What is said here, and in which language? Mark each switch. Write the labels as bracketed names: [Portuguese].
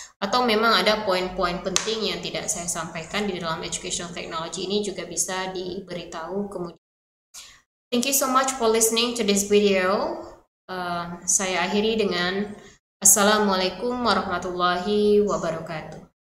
[Indonesian] Atau memang ada poin-poin penting yang tidak saya sampaikan di dalam educational technology ini juga bisa diberitahu kemudian. [English] Thank you so much for listening to this video. [Indonesian] Saya akhiri dengan [Arabic] Assalamualaikum warahmatullahi wabarakatuh.